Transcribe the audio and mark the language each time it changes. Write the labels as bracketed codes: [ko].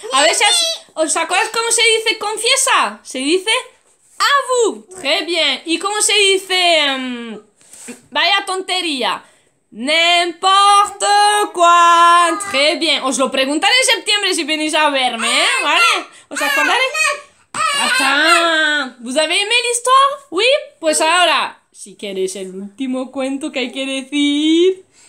[es] A veces, ¿os acordáis cómo se dice confiesa? Se dice a vous. [fr] Très bien. [es] ¿Y cómo se dice vaya tontería? [fr] N'importe quoi. Très bien. [es] Os lo preguntaré en septiembre si venís a verme, hein. Vale. ¿Os acordáis? [fr] Attends, vous avez aimé l'histoire? Oui? [es] Pues ahora, si quieres el último cuento que hay que decir...